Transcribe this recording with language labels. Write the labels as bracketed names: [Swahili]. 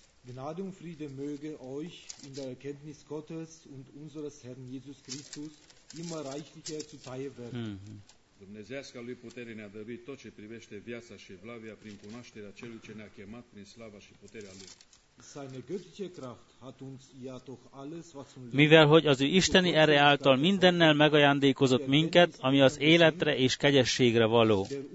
[German] Gnade und Friede möge euch in der Erkenntnis Gottes und unseres Herrn Jesus Christus immer reichlicher zuteil werden. [Romanian] Dumnezeiasca lui putere ne-a dăruit tot ce privește viața și evlavia prin cunoașterea celui ce ne-a chemat prin slava și puterea lui. [German] Seine göttliche Kraft hat uns ja doch alles, was zum Leben. [Hungarian] Mivel hogy az ő isteni ere által mindennel megajándékozott minket, ami az életre és kegyességre való.